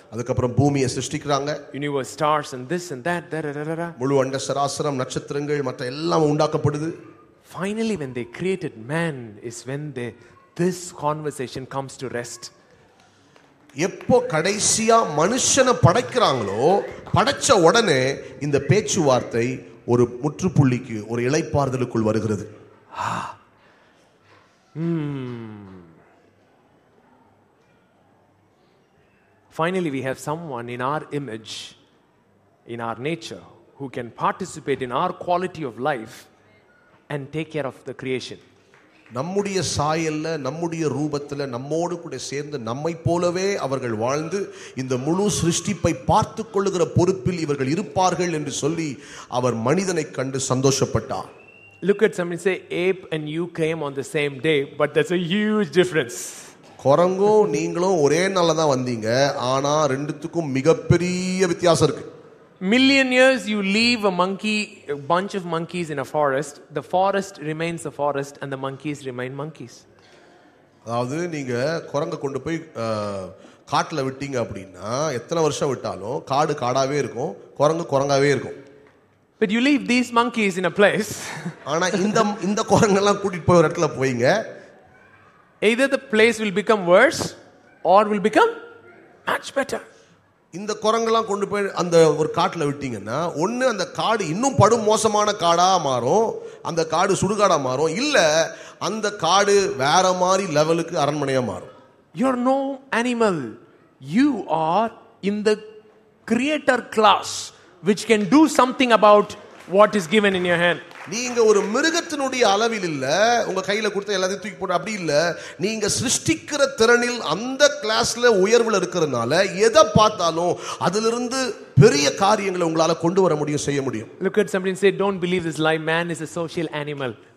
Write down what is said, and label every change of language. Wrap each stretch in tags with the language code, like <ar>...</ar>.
<ta>அதுக்கப்புறம் பூமியை சிருஷ்டிக்கிறாங்க.</ta> <en>Universe, stars and this and that.</en> <ta>முழு அண்டசராசரம் நட்சத்திரங்கள் மற்ற எல்லாம் உண்டாக்கப்படுது.</ta> <en>Finally, when they created man is when this conversation comes to rest.</en> <ta>எப்போ கடைசியா மனுஷனை படைக்கிறாங்களோ படைச்ச உடனே இந்த பேச்சுவார்த்தை ஒரு முற்றுப்புள்ளிக்கு ஒரு இளைப்பாறுதலுக்குள் வருகிறது.</ta> <en>Finally, we have someone in our image, in our nature, who can participate in our quality of life and take care of the creation.</en> <ta>நம்முடைய சாயல்ல நம்முடைய ரூபத்துல நம்மோடு கூட சேர்ந்து நம்மை போலவே அவர்கள் வாழ்ந்து இந்த முழு சிருஷ்டிப்பை பார்த்து கொள்ளுகிற பொறுப்பில் இவர்கள் இருப்பார்கள் என்று சொல்லி அவர் மனிதனை கண்டு சந்தோஷப்பட்டார்.</ta> <en>Look at somebody say, Abe and you came on the same day, but that's a huge difference.</en> <ta>குரங்கும் நீங்களும் ஒரே நாள்ல தான் வந்தீங்க, ஆனா ரெண்டுத்துக்கும் மிகப்பெரிய வித்தியாசம் இருக்கு.</ta> <en>Million years you leave a monkey, a bunch of monkeys in a forest, the forest remains a forest and the monkeys remain monkeys.</en> <ta>அதாவது நீங்க குரங்க கொண்டு போய் காட்டுல விட்டீங்க அப்படின்னா எத்தனை வருஷம் விட்டாலும் காடு காடாவே இருக்கும், குரங்கு குரங்காவே இருக்கும்.</ta> <en>But you leave these monkeys in a place.</en> <ta>ஆனா இந்த குரங்க எல்லாம் கூட்டிட்டு போய் ஒரு இடத்துல போயிங்க.</ta> <en>Either the place will become worse or will become much better.</en> <ta>இந்த குரங்கலாம் கொண்டு போய் அந்த ஒரு காட்ல விட்டீங்கன்னா ஒண்ணு அந்த காடு இன்னும் படும் மோசமான காடா மாறும், அந்த காடு சுடுகாடா மாறும், இல்ல அந்த காடு வேற மாதிரி லெவலுக்கு அரண்மனையா மாறும்.</ta> <en>You are no animal. You are in the creator class which can do something about what is given in your hand.</en> <ta>நீங்க ஒரு மிருகத்தினுடைய அளவில் இல்ல, உங்க கையில கொடுத்த எல்லாத்தையும் தூக்கி போட்டு அப்படி இல்ல, நீங்க சிருஷ்டிக்கிற திறனில் அந்த கிளாஸ்ல உயர்வுல இருக்கிறதுனால எதை பார்த்தாலும் அதுல இருந்து பெரிய காரியங்களை உங்களால கொண்டு வர முடியும், செய்ய முடியும்.</ta> <en>Look at somebody and say, don't believe this lie, man is a social animal.</en>